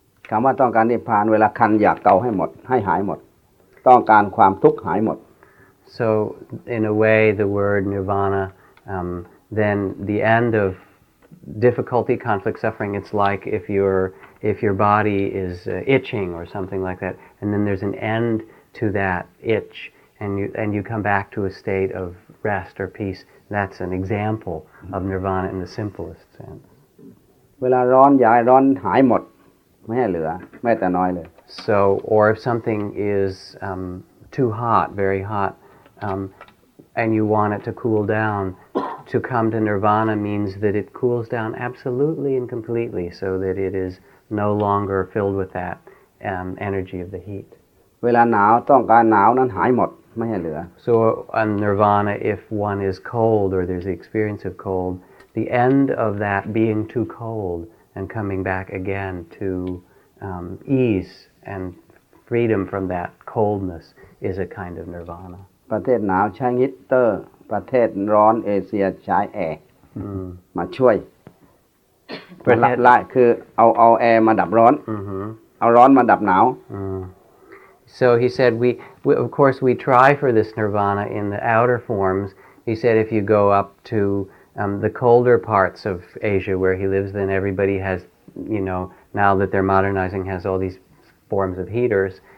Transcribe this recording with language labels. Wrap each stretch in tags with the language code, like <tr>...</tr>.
<th>คำว่าต้องการนิพพานเวลาคันอยากเกาให้หมดให้หายหมดต้องการความทุกข์หายหมด</th> <en>So in a way the word nirvana then the end of difficulty conflict suffering it's like if your body is itching or something like that and then there's an end to that itch and you come back to a state of rest or peace that's an example of nirvana in the simplest sense</en> <th>เวลาร้อนอยากร้อนหายหมดไม่ให้เหลือแม้แต่น้อยเลย</th> <en>So or if something is too hot very hot and you want it to cool down to come to nirvana means that it cools down absolutely and completely so that it is no longer filled with that energy of the heat</en> <th>เวลาหนาวต้องการหนาวนั้นหายหมดไม่ให้เหลือ</th> <en>So on nirvana if one is cold or there's the experience of cold the end of that being too cold And coming back again to ease and freedom from that coldness is a kind of nirvana.</en> <th>ประเทศหนาวใช้ฮีเตอร์ประเทศร้อนเอเชียใช้แอร์มาช่วยเป็นหลักๆคือเอาแอร์มาดับร้อนเอาร้อนมาดับหนาว</th> <en>So he said we of course we try for this nirvana in the outer forms. He said if you go up toThe colder parts of Asia where he lives, then everybody has, you know, now that they're modernizing, has all these forms of heaters.</en>